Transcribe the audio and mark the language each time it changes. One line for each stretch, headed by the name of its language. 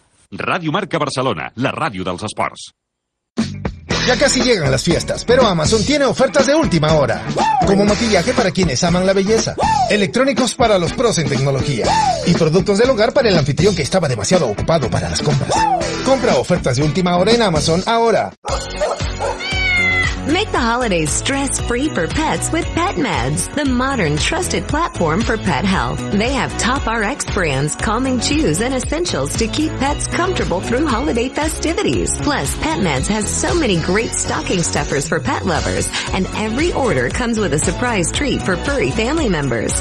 Catalan: Radio Marca Barcelona, la radio dels esports.
Spanish: Ya casi llegan las fiestas, pero Amazon tiene ofertas de última hora. Como maquillaje para quienes aman la belleza. Electrónicos para los pros en tecnología. Y productos del hogar para el anfitrión que estaba demasiado ocupado para las compras. Compra ofertas de última hora en Amazon ahora.
English: Make the holidays stress-free for pets with PetMeds, the modern trusted platform for pet health. They have top RX brands, calming chews, and essentials to keep pets comfortable through holiday festivities. Plus, PetMeds has so many great stocking stuffers for pet lovers, and every order comes with a surprise treat for furry family members.